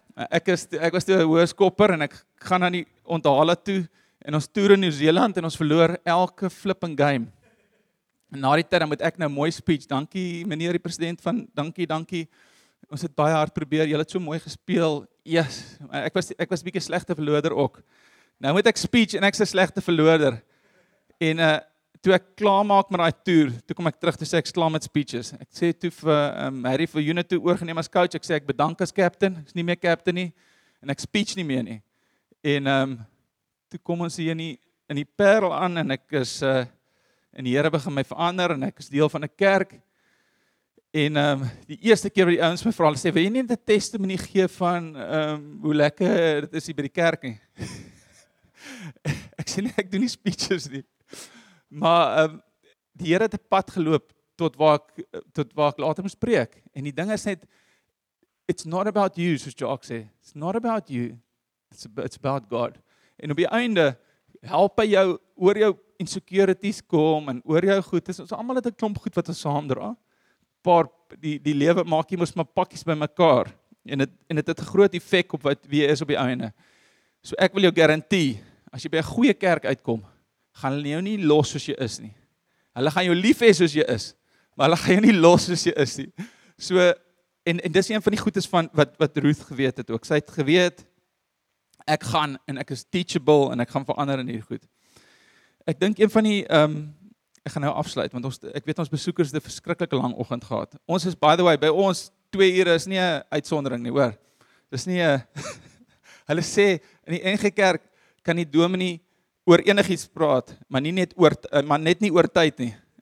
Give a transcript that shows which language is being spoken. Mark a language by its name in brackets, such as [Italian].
[Afrikaans] Ek was toe 'n hoërskopper en ek gaan na die onthale toe en ons toer in Nieu-Seeland en ons verloor elke flipping game. En na die tyd dan moet ek nou mooi speech, dankie meneer die president van dankie. Ons het baie hard probeer, julle het so mooi gespeel. Yes, ek was 'n bietjie slegte verloorder ook. Nou moet ek speech en ek's 'n slegte verloorder. En toe ek klaar maak met daai toer, toe kom ek terug toe sê ek's klaar met speeches. Ek sê toe vir Harry vir Unit toe oorgeneem as coach, ek sê ek bedank as captain, ek's nie meer captain nie en ek speech nie meer nie. En toe kom ons hier in die Paarl aan en ek is en die Here begin my verander en ek is deel van 'n kerk. En die eerste keer wat die ouens my vra, hulle sê, "Wil jy nie 'n testimonie gee van hoe lekker dit is hier by die kerk nie?" Ek sê nie, ek doen nie speeches nie. Maar die Here het 'n pad geloop tot waar ek later moes preek. En die ding is net, [English] it's not about you, [Afrikaans] soos Jock sê. [English] It's not about you. It's about God. [Afrikaans] En op die einde, help hy jou oor jou insecurities kom en oor jou goed. Ons allemaal het 'n klomp goed wat ons saam dra. Paar, die lewe maak jy mos maar pakkies by mekaar. En dit het 'n groot effek op wat wie jy is op die einde. So ek wil jou garantie, as jy by 'n goeie kerk uitkom, gaan hulle jou nie los soos jy is nie. Hulle gaan jou lief hê soos jy is, maar hulle gaan jou nie los soos jy is nie. So, en dis een van die goedes van wat Ruth geweet het ook. Sy het geweet, ek gaan en ek is teachable en ek gaan verander in hierdie goed. Ek dink een van die, ek gaan nou afsluit, want ons besoekers het 'n verskriklike lang oggend gehad. Ons is, [English] by the way, [Afrikaans] by ons 2 ure is nie 'n uitsondering nie, hoor. Dis nie 'n, hulle sê, in die NG Kerk kan die dominee oor enigiets praat, maar nie net oor, maar net nie oor tyd nie.